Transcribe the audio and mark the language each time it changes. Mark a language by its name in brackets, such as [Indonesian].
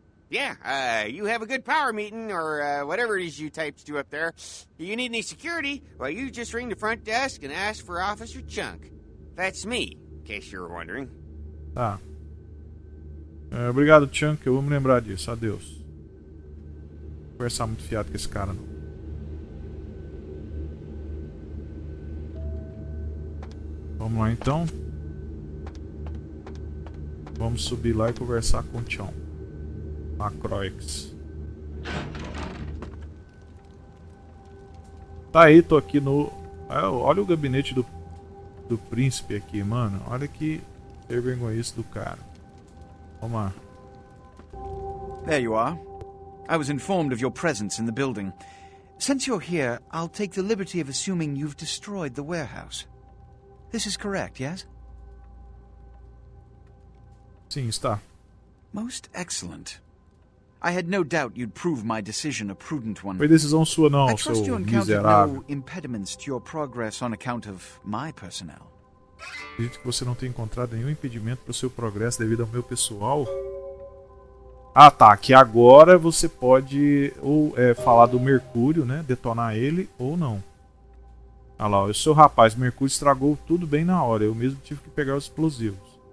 [English] Yeah, you have a good power meeting, or whatever it is you types do up there. You need any security? Well, you just ring the front desk and ask for Officer Chunk. That's me, in case you were wondering. [Portuguese] Tá. Obrigado, Chunk. Eu vou me lembrar disso. Adeus. Não vou conversar muito fiado com esse cara, não. Vamos lá, então. Vamos subir lá e conversar com o Chunk. Lacroix. Tá aí, tô aqui no... Olha o gabinete do príncipe aqui, mano. Olha que vergonhoso do cara. Vamos lá. [English] There you are. I was informed of your presence in the building. Since you're here, I'll take the liberty of assuming you've destroyed the warehouse. This is correct, yes? [Portuguese] Sim, está. [English] Most excellent. I had no doubt you'd prove my decision a prudent one. [Portuguese] Foi decisão sua não, seu miserável. [English] I trust you encountered no impediments to your progress on account of my personnel. [Portuguese] Acredito que você não tenha encontrado nenhum impedimento para o seu progresso devido ao meu pessoal. Ah tá, que agora você pode ou falar do Mercúrio, né, detonar ele ou não. Ah lá, o seu rapaz Mercúrio estragou tudo bem na hora, eu mesmo tive que pegar os explosivos.